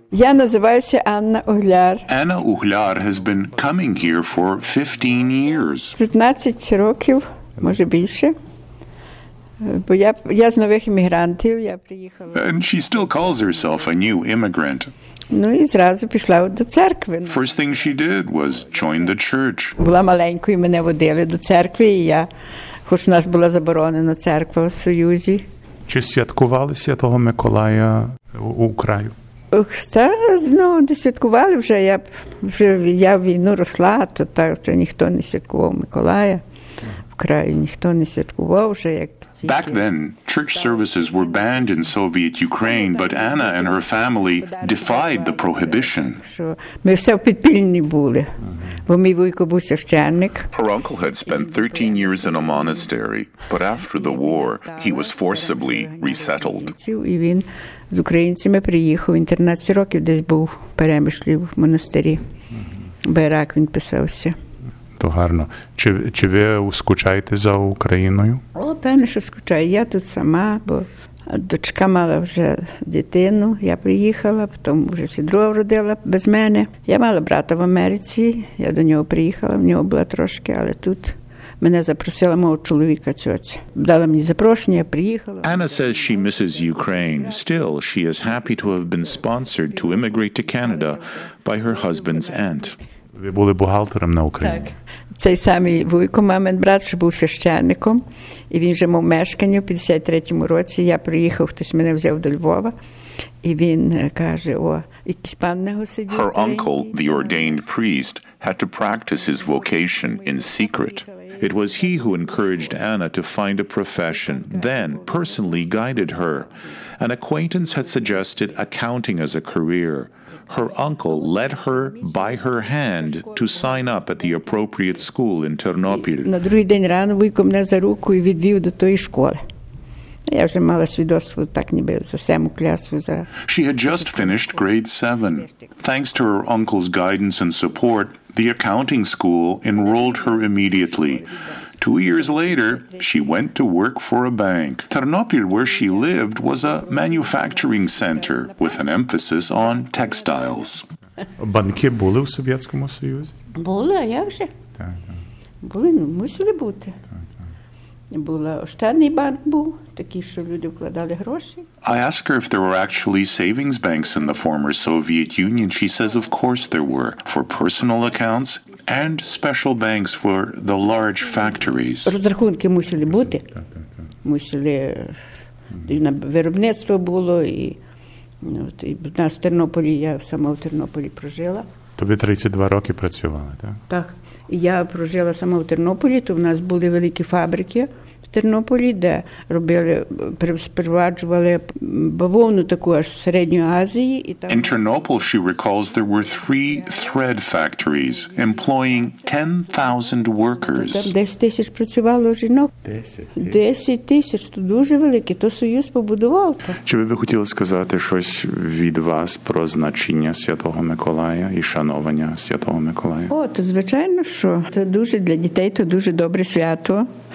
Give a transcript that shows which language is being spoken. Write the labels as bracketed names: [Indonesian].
[English] Anna Ugляр has been coming here for 15 years. [Ukrainian] 15 років, може більше. Бо я з нових іммігрантів, я приїхала. [English] And she still calls herself a new immigrant. [Ukrainian] Ну і зразу пішла до церкви. [English] First thing she did was join the church. [Ukrainian] Була маленькою, мене водили до церкви, і я, хоч у нас була заборонена церква в Союзі. Чи святкували Святого Миколая у краю? Ух, та, ну, не святкували вже, я в війну росла, то так, то ніхто не святкував Миколая в краю, ніхто не святкував вже. Як тільки... [English] Back then, church services were banned in Soviet Ukraine, but Anna and her family defied the prohibition. [Ukrainian] Ми все в підпільні були, бо мій вуйко був священник. [English] Her uncle had spent 13 years in a monastery, but after the war, he was forcibly resettled. [Ukrainian] І він... З українцями приїхав, він 13 років десь був в Перемишлі, в монастирі. Байрак він писався. То гарно. Чи ви скучаєте за Україною? О, певно, що скучаю. Я тут сама, бо дочка мала вже дитину, я приїхала, потім вже сідро вродила без мене. Я мала брата в Америці, я до нього приїхала, в нього була трошки, але тут... Мене запросила мого чоловіка тьоця. Дала мені запрошення, я приїхала. [English] Anna says she misses Ukraine. Still, she is happy to have been sponsored to immigrate to Canada by her husband's aunt. [Ukrainian] Ви були бухгалтером на Україні? Так. Цей самий Вуйко, мамин брат, що був священником. І він вже мав мешкання в 53-му році. Я приїхав, хтось мене взяв до Львова. І він каже, о, якийсь пан на госиді. [English] Her uncle, the ordained priest, had to practice his vocation in secret. It was he who encouraged Anna to find a profession, then personally guided her. An acquaintance had suggested accounting as a career. Her uncle led her by her hand to sign up at the appropriate school in Тернопіль. [Ukrainian] На другий день рано Вуйко мене за руку і відвів до тої школи. Я вже мала свідоцтво, так ніби за всему клясу. За... [English] She had just finished grade 7. Thanks to her uncle's guidance and support, the accounting school enrolled her immediately. 2 years later, she went to work for a bank. Тернопіль, where she lived, was a manufacturing center with an emphasis on textiles. [Ukrainian] Банки були у Совєтському Союзі? Були, а як же? Були, мусили бути. Була Ощадний банк був, такий, що люди вкладали гроші. [English] I asked her if there were actually savings banks in the former Soviet Union. She says, of course there were, for personal accounts and special banks for the large factories. [Ukrainian] Розрахунки мусили бути. Мусили, і на виробництво було, і, ну, і в нас в Тернополі, я сама в Тернополі прожила. Тобі 32 роки працювала, так? Так. Я прожила сама в Тернополі, то в нас були великі фабрики в Тернополі, де робили, спроваджували бавовну таку аж з Середньої Азії. І там... [English] In Tернопіль, she recalls, there were three thread factories employing 10,000 workers. [Ukrainian] Там 10 тисяч працювало жінок. 10 тисяч, то дуже велике, то Союз побудував. То. Чи ви хотіли сказати щось від вас про значення Святого Миколая і шанування Святого Миколая? О, то звичайно, що це дуже для дітей, то дуже добре свято.